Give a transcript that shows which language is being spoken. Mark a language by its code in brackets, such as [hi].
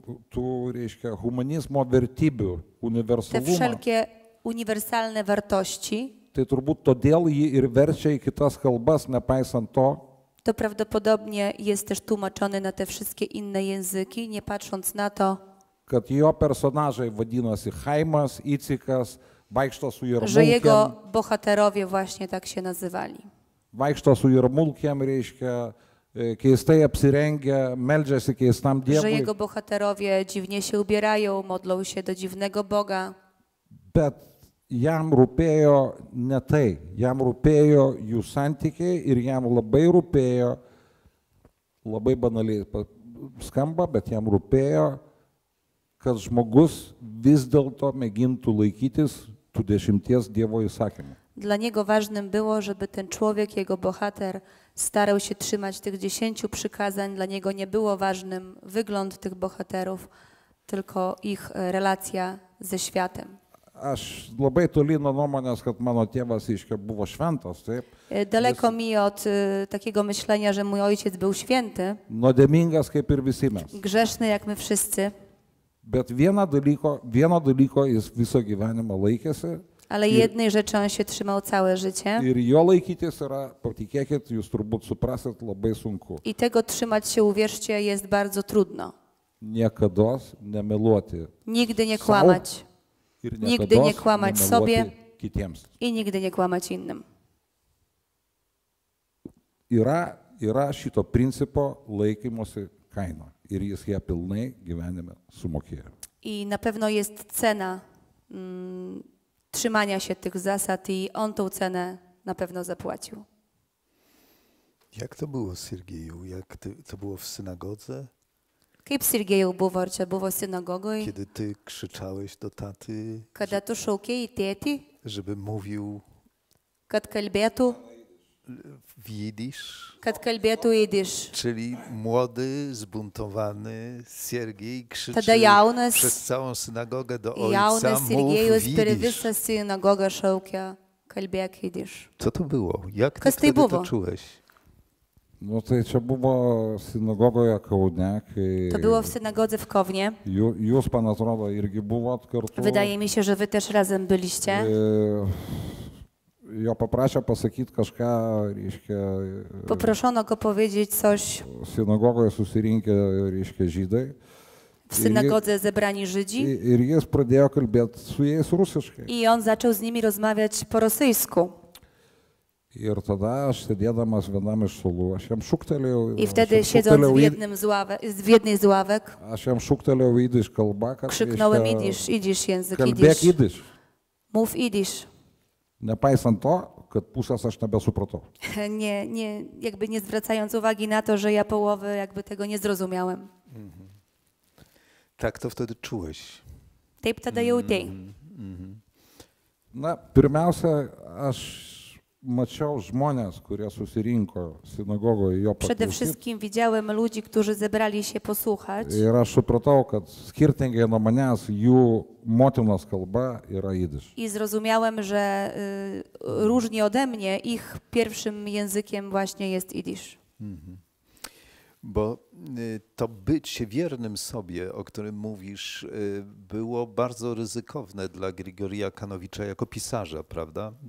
[lt] Tu reiškia humanizmo vertybių, universalumą. [pl] Te wszelkie uniwersalne wartości. [lt] Tai turbūt todėl jį ir verčia į kitas kalbas, nepaisant to. [pl] To prawdopodobnie jest też tłumaczony na te wszystkie inne języki, nie patrząc na to. [lt] Kad jo personažai vadinosi Chaimas, Icikas, [pl] że jego bohaterowie właśnie tak się nazywali. [lt] Vaikšto su jarmulkiem, reiškia, keistai apsirengę, meldžiasi keistam dievui. [pl] Że jego bohaterowie dziwnie się ubierają, modlą się do dziwnego Boga. [lt] Bet jam rūpėjo ne tai, jam rūpėjo jų santykiai ir jam labai rūpėjo, labai banaliai skamba, bet jam rūpėjo, kad žmogus vis dėlto mėgintų laikytis tų dešimties Dievo įsakymų. [pl] Dla niego ważnym było, żeby ten człowiek, jego bohater, starał się trzymać tych 10 przykazań. Dla niego nie było ważnym wygląd tych bohaterów, tylko ich relacja ze światem. [lt] Aš labai toli nuo nuomonės, kad mano tėvas iškia buvo šventas, taip. [pl] Daleko mi od takiego myślenia, że mój ojciec był święty. [lt] Nuodėmingas kaip ir visi mes. [pl] Grzeszny jak my wszyscy. [lt] Bet vieno dalyko jis viso gyvenimo laikėsi. [pl] Ale jednej rzeczy on się trzymał całe życie. [lt] Ir jo laikytis yra, patikėkit, jūs turbūt suprasit, labai sunku. [pl] I tego trzymać się, uwierzcie, jest bardzo trudno. [lt] Niekados nemeluoti. [pl] Nigdy nie kłamać. Nigdy nie kłamać sobie [lt] kitiems. [pl] I nigdy nie kłamać innym. [lt] Yra šito principo laikymosi kaina. Ir jis ją pilnai gyvenime sumokėjo. [pl] I na pewno jest cena trzymania się tych zasad i on tą cenę na pewno zapłacił. Jak to było, Sergeju? Jak ty, to było w synagodze? Kiedy Sergeju było w synagogu? Kiedy ty krzyczałeś do taty? [lt] Kada tu šaukei tėti? [pl] Żeby mówił. [lt] Kad kalbėtų. [pl] W jidysz. [lt] Kad kalbėtų jidysz. [pl] Czyli młody, zbuntowany Sergej krzyczy [lt] tada jaunas, [pl] przez całą synagogę do ojca, [lt] jaunas [pl] mów jidysz. [lt] Jaunas Sergejus per visą synagogą šaukia, kalbėk jidysz. [pl] Co to było? Jak ty wtedy to czułeś? [lt] No to čia buvo sinagogoje Kaune, kai... [pl] To było w synagodze w Kownie. [lt] Jūs, pan atrodo, irgi buvot kartu. [pl] Wydaje mi się, że wy też razem byliście. [lt] Jo paprašė pasakyt kažką, reiškia... [pl] Poproszono go powiedzieć coś. [lt] Sinagogoje susirinkė, reiškia, žydai. [pl] W synagodze zebrani Żydzi. [lt] Ir jis pradėjo kalbėt su jais rusiškai. [pl] I on zaczął z nimi rozmawiać po rosyjsku. [lt] Ir tada aš sėdėdamas vienam iš sulų, aš jam šūktelėjau. [pl] I wtedy siedząc w jednej z ławek. [lt] Aš jam šūktelėjau jidiš kalba. [pl] Krzyknąłem jidiš, jidiš język, [lt] jidiš. Kalbėk jidiš. [pl] Mów jidiš. [lt] Nepaisant to, kad pusės aš nebesupratau. [pl] Nie, jakby nie zwracając uwagi na to, że ja połowy jakby tego nie zrozumiałem. Tak to wtedy czułeś. [lt] Taip tada jautėj. Na, pirmiausia, aš... Mačiau žmonės, kurie susirinko sinagogoje jo paklausyti. [pl] Przede wszystkim widziałem ludzi, którzy zebrali się posłuchać. [lt] Ir aš supratau, kad skirtingai nuo manęs jų motinos kalba yra jidiš. [pl] I zrozumiałem, że różni ode mnie ich pierwszym językiem właśnie jest jidiš. Bo to być się wiernym sobie, o którym mówisz, było bardzo ryzykowne dla Grigorija Kanowicza jako pisarza, prawda?